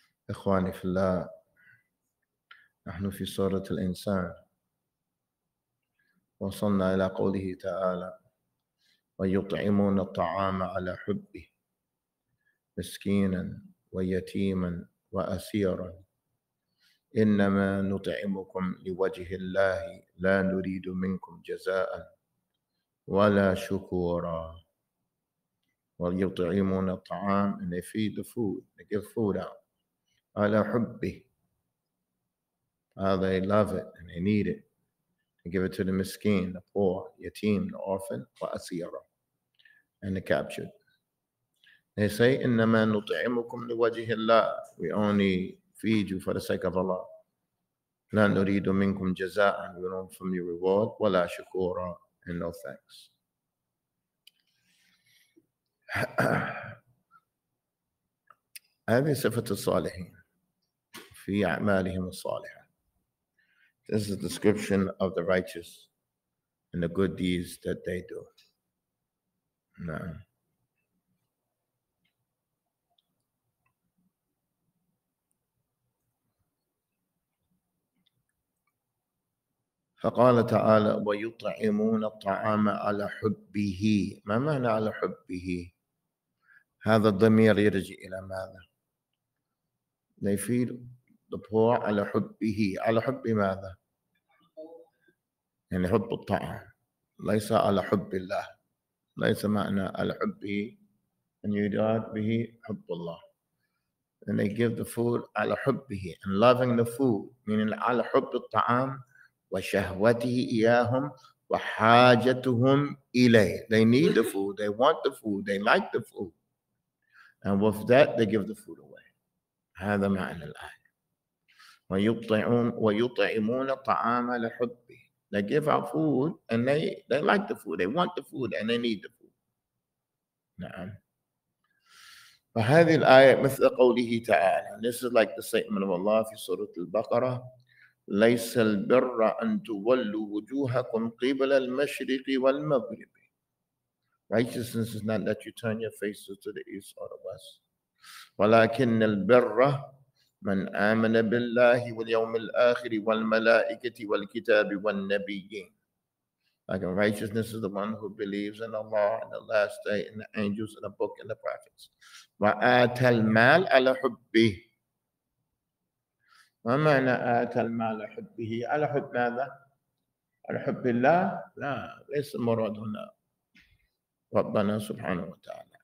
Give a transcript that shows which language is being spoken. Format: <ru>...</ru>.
<ar>إخواني في الله، نحن في سورة الإنسان، وصلنا إلى قوله تعالى: ويطعمون الطعام على حبه مسكينا ويتيما وأسيرا إنما نطعمكم لوجه الله لا نريد منكم جزاء ولا شكورا. ويطعمون الطعام</ar> <en>and they feed the food, they give food out</en> <ar>على حبه.</ar> <en>They love it and they need it. They give it to the miskeen, the poor, yatim, the orphan,</en> <ar>وأسيرا</ar> <en>and the captured. They say</en> <ar>إنما نطعمكم لوجه الله,</ar> <en>we only feed you for the sake of Allah.</en> <ar>لا نريد منكم جزاء,</ar> <en>we don't from your reward,</en> <ar>ولا شكورا,</ar> <en>and no thanks.</en> <ar>هذه صفة الصالحين في أعمالهم الصالحة.</ar> <en>This is the description of the righteous and the good deeds that they do.</en> <ar>نعم. فقال تعالى: ويطعمون الطعام على حبه. ما معنى على حبه؟ هذا الضمير يرجع إلى ماذا؟</ar> <en>They feed the poor</en> <ar>على حبه. على حب ماذا؟ يعني حب الطعام, ليس على حب الله. ليس معنى على حبه أن يراد به حب الله.</ar> <en>And they give the food</en> <ar>على حبه.</ar> <en>And loving the food meaning</en> <ar>على حب الطعام وشهوته إياهم وحاجتهم إليه.</ar> <en>They need the food, they want the food, they like the food. And with that, they give the food away.</en> <ar>هذا معنى الآية. ويطعمون الطعام لحبه.</ar> <en>They give out food and they like the food, they want the food and they need the food.</en> <ar>نعم. فهذه الآية مثل قوله تعالى.</ar> <en>This is like the statement of Allah</en> <ar>في سورة البقرة. ليس البر أن تولوا وجوهكم قبل المشرق والمغرب.</ar> <en>Righteousness is not that you turn your faces to the east or the west.</en> <ar>ولكن البر من آمن بالله واليوم الآخر والملائكة والكتاب والنبيين.</ar> <en>Like righteousness is the one who believes in Allah and the last day and the angels and the book and the prophets.</en> <ar>وآتى المال على حبه. ما معنى آتى المال حبه؟ على حب ماذا؟ على حب الله؟ لا, ليس المراد هنا ربنا سبحانه وتعالى.</ar>